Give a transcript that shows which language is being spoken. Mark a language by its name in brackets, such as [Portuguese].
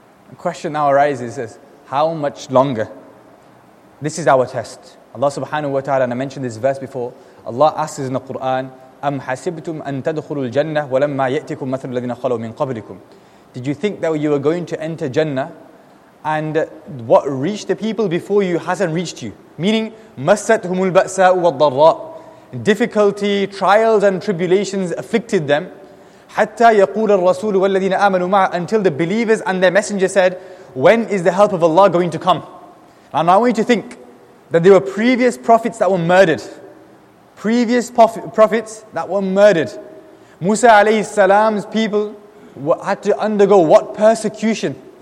[English] The question now arises is, how much longer? This is our test. Allah subhanahu wa ta'ala, and I mentioned this verse before, Allah asks in the Quran, [Arabic] أَمْ حَسِبْتُمْ أَن تَدْخُلُوا الْجَنَّةِ وَلَمَّا يَأْتِكُمْ مَثَلُ الَّذِينَ خَلَوْا مِنْ قَبْلِكُمْ. [English] Did you think that you were going to enter Jannah and what reached the people before you hasn't reached you? Meaning, [Arabic] مَسَّتْهُمُ الْبَأْسَاءُ وَالضَّرَّاءُ. [English] Difficulty, trials and tribulations afflicted them. [Arabic] حَتَّى يَقُولَ الرَّسُولُ وَالَّذِينَ آمَنُوا مَعَ. [English] Until the believers and their messenger said, when is the help of Allah going to come? And I want you to think that there were previous prophets that were murdered. Previous prophets that were murdered. Musa alayhi salam's people had to undergo what persecution?